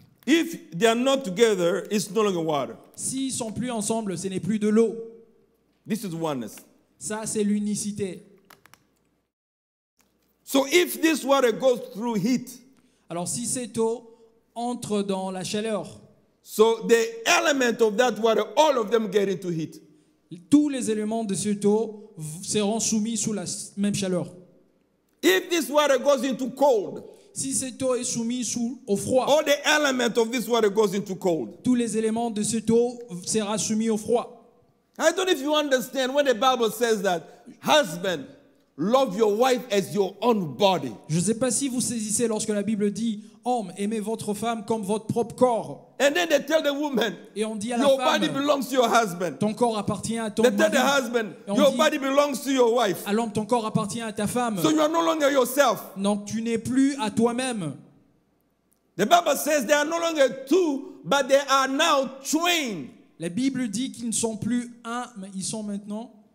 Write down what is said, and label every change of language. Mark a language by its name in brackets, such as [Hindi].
[English] If they are not together, it's no longer water. [French] S'ils sont plus ensemble, ce n'est plus de l'eau. [English] This is oneness. [French] Ça, c'est l'unicité. [English] So if this water goes through heat. [French] Alors si cette eau entre dans la chaleur. [English] So the element of that water, all of them get into heat. [French] Tous les éléments de cette eau seront soumis sous la même chaleur. [English] If this water goes into cold, [French] si cette eau est soumise au froid, [English] all the element of this water goes into cold. [French] Tous les éléments de cette eau seront soumis au froid. [English] I don't know if you understand when the Bible says that, husband, love your wife as your own body. [French] Je ne sais pas si vous saisissez lorsque la Bible dit, homme, aimez votre femme comme votre propre corps. [English] And then they tell the woman, [French] et on dit à la [English] your [French] femme, [English] body belongs to your husband. [French] Ton corps appartient à ton [English] they [French] mari. [English] Tell the husband, your dit, body belongs to your wife. [French] À l'homme, ton corps appartient à ta femme. [English] So you are no longer yourself. [French] Donc tu n'es plus à toi-même. [English] The Bible says they are no longer two, but they are now twain. [French] La Bible dit qu'ils ne sont plus un, mais ils sont maintenant